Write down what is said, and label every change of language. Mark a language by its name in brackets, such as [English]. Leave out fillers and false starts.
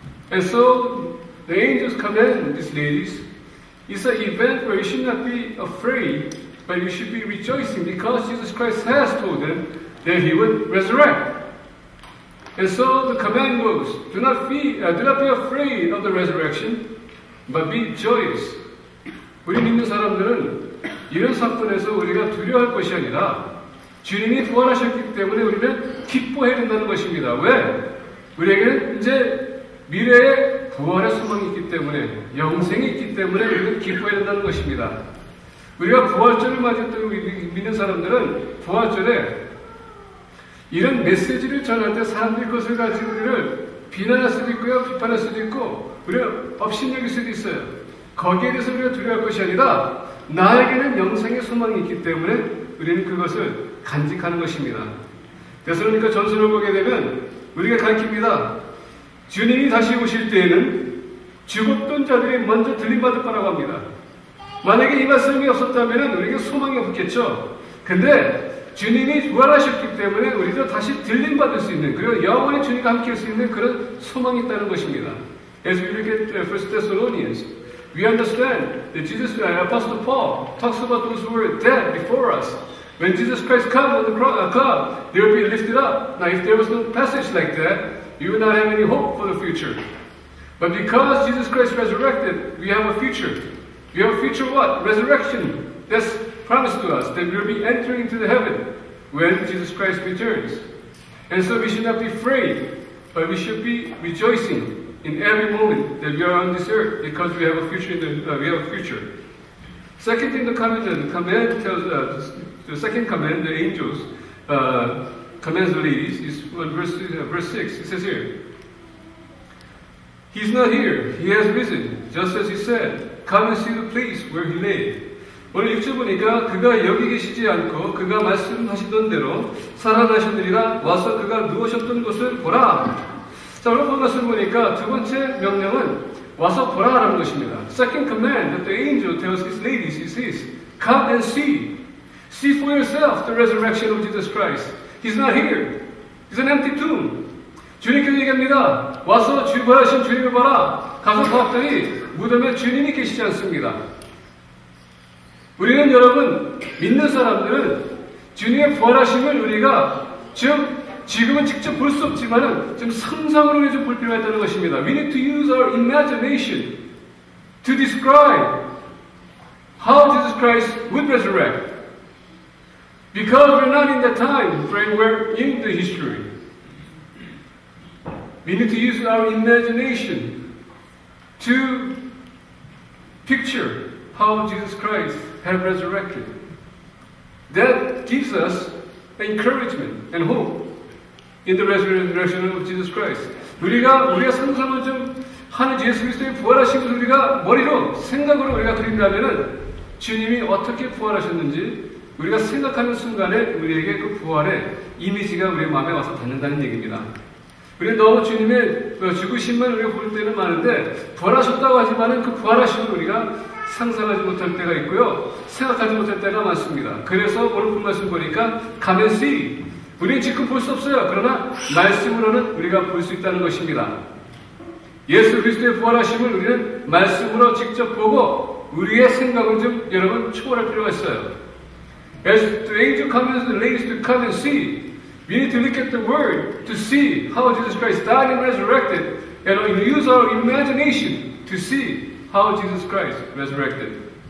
[English] And so, the angels command these ladies, it's an event where you should not be afraid, but you should be rejoicing, because Jesus Christ has told them that he would resurrect. And so the command goes, do not be afraid of the resurrection, but be joyous. [Korean] 우리 믿는 사람들은 이런 사건에서 우리가 두려워할 것이 아니라 주님이 부활하셨기 때문에 우리는 기뻐해야 된다는 것입니다. 왜? 우리에게는 이제 미래에 부활의 소망이 있기 때문에, 영생이 있기 때문에 우리는 기뻐해야 된다는 것입니다. 우리가 부활절을 맞았던 믿는 사람들은 부활절에 이런 메시지를 전할 때 사람들이 그것을 가지고 우리를 비난할 수도 있고요, 비판할 수도 있고, 우리가 업신여길 수도 있어요. 거기에 대해서 우리가 두려워할 것이 아니라, 나에게는 영생의 소망이 있기 때문에, 우리는 그것을 간직하는 것입니다. 데살로니가 전서를 보게 되면 우리가 가르칩니다. 주님이 다시 오실 때에는 죽었던 자들이 먼저 들림받을 거라고 합니다. 만약에 이 말씀이 없었다면 우리에게 소망이 없겠죠. 근데 주님이 부활하셨기 때문에 우리도 다시 들림받을 수 있는, 그리고 영원히 주님과 함께 할 수 있는 그런 소망이 있다는 것입니다. [English] As we look at 1 Thessalonians, we understand that Jesus, Apostle Paul, talks about those who were dead before us. When Jesus Christ comes on the cloud, they will be lifted up. Now, if there was no passage like that, you would not have any hope for the future. But because Jesus Christ resurrected, we have a future. We have a future what? Resurrection. That's promised to us, that we will be entering into the heaven when Jesus Christ returns. And so we should not be afraid, but we should be rejoicing in every moment that we are on this earth, because we have a future. Second thing, the second command, the angels commands the ladies, is verse 6. It says here, He's not here. He has risen, just as He said. Come and see the place where He lay. [Korean] 오늘 6절 보니까 그가 여기 계시지 않고 그가 말씀하시던 대로 살아나셨느니라. 와서 그가 누우셨던 곳을 보라. 자, 여러분 말씀 보니까 두 번째 명령은 와서 보라라는 것입니다. [English] Second command that the angel tells his ladies is this. Come and see. See for yourself the resurrection of Jesus Christ. He's not here. It's an empty tomb. [Korean] 주님께서 얘기합니다. 와서 부활하신 주님을 봐라. 가서 봤더니 무덤에 주님이 계시지 않습니다. 우리는 여러분, 믿는 사람들은 주님의 부활하심을 우리가 지금은 직접 볼 수 없지만 지금 상상으로 해서 볼 필요가 있다는 것입니다. [English] We need to use our imagination to describe how Jesus Christ would resurrect. Because we're not in that time frame, we're in the history. We need to use our imagination to picture how Jesus Christ have resurrected. That gives us encouragement and hope in the resurrection of Jesus Christ. [Korean] 우리가 상상을 좀 하는 예수 그리스도의 부활하신 것을 우리가 머리로 생각으로 우리가 그린다면은 주님이 어떻게 부활하셨는지 우리가 생각하는 순간에 우리에게 그 부활의 이미지가 우리 마음에 와서 닿는다는 얘기입니다. 우리는 너무 주님의 죽으심만 우리가 볼 때는 많은데 부활하셨다고 하지만은 그 부활하심을 우리가 상상하지 못할 때가 있고요. 생각하지 못할 때가 많습니다. 그래서 오늘 본 말씀 보니까 [English] Come and see. [Korean] 우리는 지금 볼 수 없어요. 그러나 말씀으로는 우리가 볼 수 있다는 것입니다. 예수 그리스도의 부활하심을 우리는 말씀으로 직접 보고 우리의 생각을 좀 여러분 초월할 필요가 있어요. [English] As the angel commands the ladies to come and see, we need to look at the word to see how Jesus Christ died and resurrected, and use our imagination to see how Jesus Christ resurrected.